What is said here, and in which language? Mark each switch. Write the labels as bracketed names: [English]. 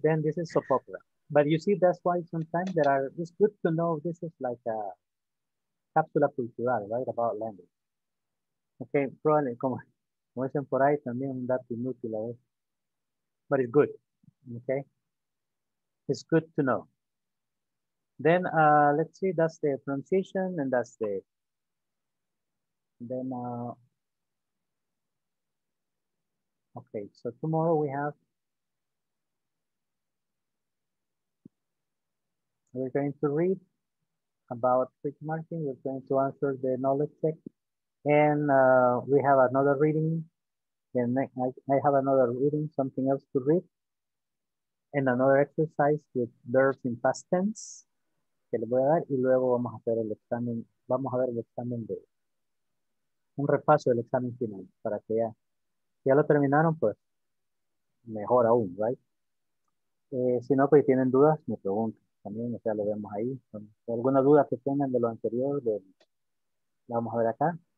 [English] Then this is so popular. But you see, that's why sometimes there are, it's good to know this is like a [Spanish] cápsula cultural, [English] right, about language. [Spanish] Okay, probably, como dicen por ahí, también un dato inútil a veces. [English] But it's good, okay? It's good to know. Then, let's see, that's the pronunciation, and that's the... Then, okay, so tomorrow we have... We're going to read about trick marking. We're going to answer the knowledge check. And we have another reading. And I have another reading, something else to read. And another exercise with verbs in past tense. [Spanish] Que le voy a dar y luego vamos a hacer el examen, vamos a ver el examen de, un repaso del examen final para que ya, si ya lo terminaron, pues mejor aún, right? Si no, pues tienen dudas, me preguntan también, o sea, lo vemos ahí. Alguna duda que tengan de lo anterior, de, la vamos a ver acá.